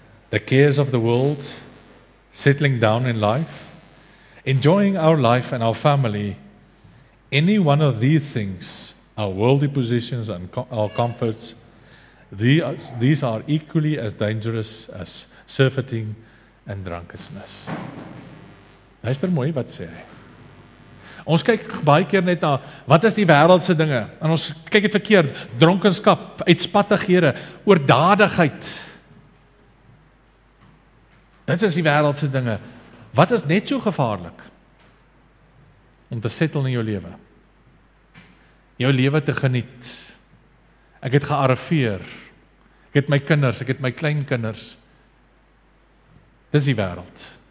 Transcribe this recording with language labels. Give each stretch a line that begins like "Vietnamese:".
English: The cares of the world, settling down in life, enjoying our life and our family, any one of these things, our worldly positions and our comforts, these are equally as dangerous as surfeiting and drunkenness.
Afrikaans: Luister mooi wat sê hy. Ons kyk baie keer net na, wat is die wêreldse dinge? En ons kyk het verkeerd, dronkenskap, uitspattighede, oordadigheid. Dit is die wêreldse dinge. Wat is net so gevaarlik? om te settle in jou lewe. Jou lewe te geniet. Ek het gearriveer. Ek het my kinders, ek het my kleinkinders. Dis die wêreld.